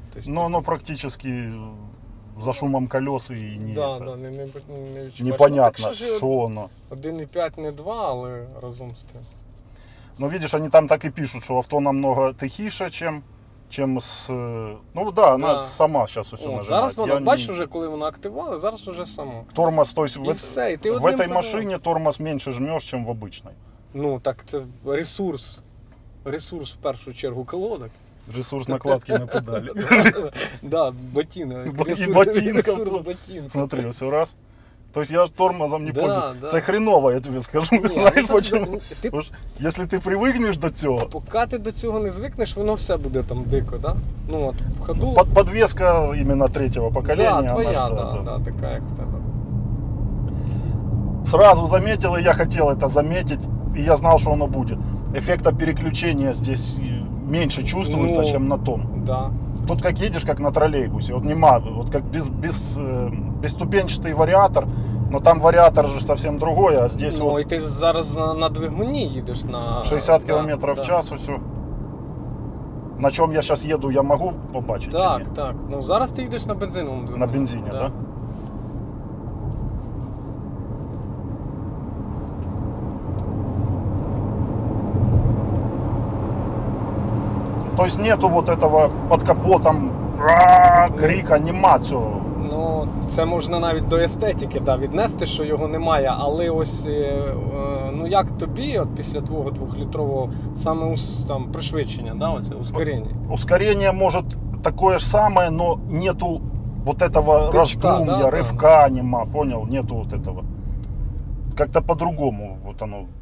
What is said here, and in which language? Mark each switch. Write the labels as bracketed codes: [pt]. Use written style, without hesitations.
[ru] Ну, оно практически за шумом колес и не... Да, это, да, не непонятно, что оно. 1,5, не 2, але разом с тем. Ну, видишь, они там так и пишут, что авто намного тихіше, чем с... Ну, да, она сама сейчас все нажимает. [uk] Зараз вона, бачишь уже, коли вона активувала, зараз уже сама. [ru] Тормоз, то есть и все, и ты в этой машине тормоз меньше жмешь, чем в обычной. Ну, так это ресурс. Ресурс, в первую очередь, колодок. Ресурс накладки на педали. Да, ботина. И ботинка. Ресурс ботинка. Смотри, все раз. То есть я тормозом не, да, пользуюсь. [uk] Да. Це [ru] хреново, я тебе скажу. Не, знаешь, ну, почему? [uk] Ти... [ru] Если ты привыкнешь [uk] до цього. [ru] Пока ты [uk] до цього не звикнеш, воно все буде там дико, да? Ну от, в ходу. [ru] Подвеска именно третьего поколения. Да, твоя, она, да, такая, как тебе. Сразу заметил, и я хотел это заметить, и я знал, что оно будет. Эффекта переключения здесь меньше чувствуется, чем на том. Да. Тут как едешь, как на троллейбусе, вот не могу, вот как безступенчатый вариатор, но там вариатор же совсем другой, а здесь, ну, вот... Ну и ты [uk] зараз на двигуне [ru] едешь на... 60 км, да, в час, да. Все. На чем я сейчас еду, я могу побачить? Так, так. Ну, зараз ты едешь на бензиновом двигуне. На бензине, да? То есть нету вот этого под капотом крика, [uk] нема цього. [ru] Ну, [uk] це можна навіть до естетики, да, віднести, що його немає, але ось, ну як тобі, от після твого двохлітрового, саме там пришвидшення, да, оце ускорення? [ru] Ускорення може [uk] таке ж саме, але [ru] нету вот этого раздумья, да, рывка, да, нема, понял, нету вот этого. Как-то по-другому вот оно.